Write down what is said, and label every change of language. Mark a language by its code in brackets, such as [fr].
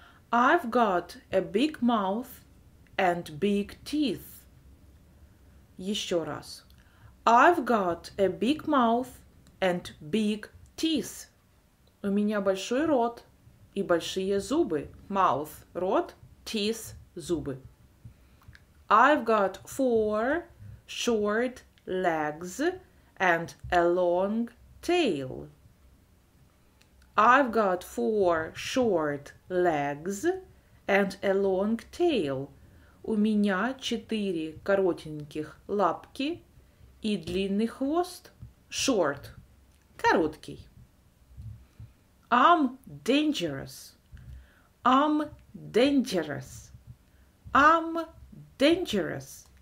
[en] I've got a big mouth and big teeth. [ru] Еще раз. [en] I've got a big mouth and big teeth. [ru] У меня большой рот и большие зубы. Mouth – рот, teeth – зубы. [en] I've got four short legs and a long tail. I've got four short legs and a long tail. [ru] У меня четыре коротеньких лапки и длинный хвост. [en] Short – короткий. I'm dangerous. I'm dangerous. I'm dangerous.